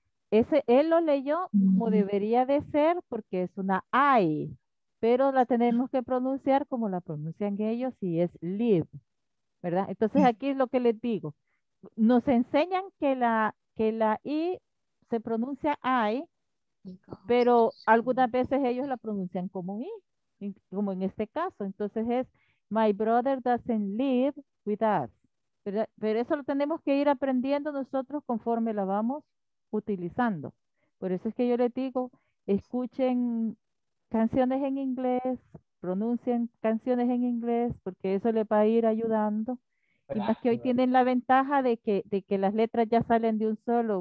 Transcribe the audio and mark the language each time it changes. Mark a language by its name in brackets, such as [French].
[Spanish] Ese él lo leyó como debería de ser porque es una I, pero la tenemos que pronunciar como la pronuncian ellos y es live, ¿verdad? Entonces aquí es lo que les digo. Nos enseñan que la I se pronuncia I, pero algunas veces ellos la pronuncian como I, como en este caso. Entonces es, [English] my brother doesn't live with us. [Spanish] Pero eso lo tenemos que ir aprendiendo nosotros conforme la vamos utilizando. Por eso es que yo les digo, escuchen canciones en inglés, pronuncien canciones en inglés, porque eso les va a ir ayudando. Y más que hoy tienen la ventaja de que las letras ya salen de un solo.